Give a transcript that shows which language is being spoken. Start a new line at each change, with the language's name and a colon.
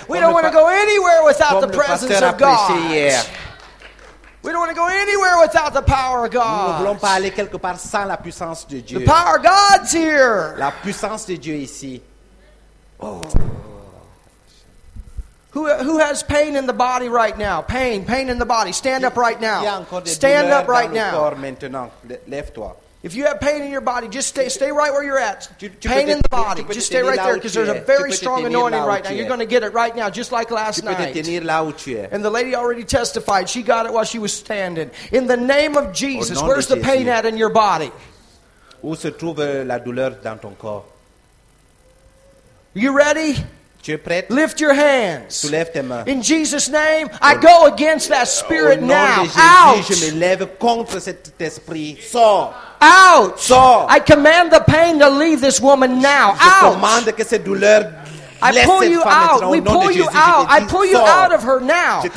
English: We don't want to go anywhere without the presence of God.
French: Hier.
English: We don't want to go anywhere without the power of God.
French: Nous ne voulons pas aller quelque part sans la puissance de Dieu.
English: The power of God's here.
French: La puissance de Dieu ici. Oh.
English: Who has pain in the body right now? Pain in the body. Stand up right now. Stand up right now. If you have pain in your body, just stay right where you're at. Pain in the body. Just stay right there because there's a very strong anointing right now. You're going to get it right now, just like last night. And the lady already testified. She got it while she was standing. In the name of Jesus, where's the pain at in your body?
French: Où se trouve la douleur dans ton corps?
English: You ready?
French: Tu es prêt?
English: Lift your hands.
French: Soulève tes mains.
English: In Jesus' name, I go against that spirit now.
French: Au nom de Jésus,
English: out.
French: Je me lève contre cet esprit. Sors.
English: Out.
French: Sors.
English: I command the pain to leave this woman now.
French: Je commande que cette douleur
English: I pull you out. We pull you out. I pull you out of her now.